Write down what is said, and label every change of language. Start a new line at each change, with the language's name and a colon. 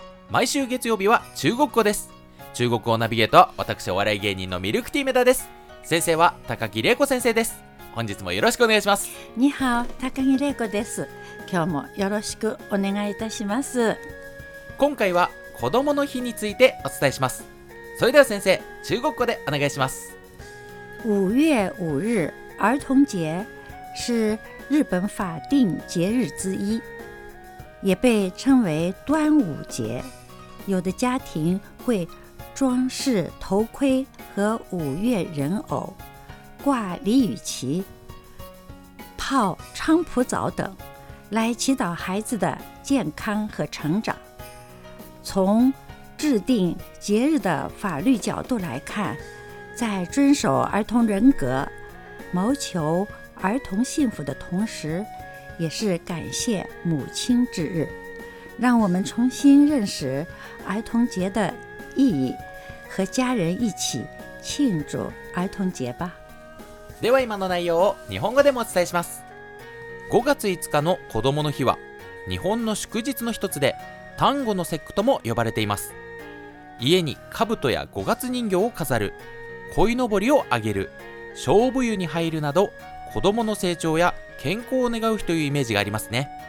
Japanese: 毎週月曜日は中国語です。中国語ナビゲートは私お笑い芸人のミルクティーメダです。先生は高木玲子先生です。本日もよろしくお願いします。ニハオ、高木玲子です。今日もよろしくお願いいたします。今回は子供の日についてお伝えします。それでは先生、中国語でお願いします。
Chinese: 5月5日儿童节是日本法定节日之一，也被称为端午节。有的家庭会装饰头盔和五月人偶，挂鲤鱼旗，泡菖蒲澡等，来祈祷孩子的健康和成长。从制定节日的法律角度来看，在遵守儿童人格，谋求儿童幸福的同时，也是感谢母亲之日，让我们重新认识儿童节的意义，和家人一起庆祝儿童节吧。
Japanese: では今の内容を日本語でもお伝えします。5月5日の子供の日は日本の祝日の一つで、端午の節句とも呼ばれています。家に兜や五月人形を飾る、鯉のぼりをあげる、勝負湯に入るなど、子どもの成長や健康を願う日というイメージがありますね。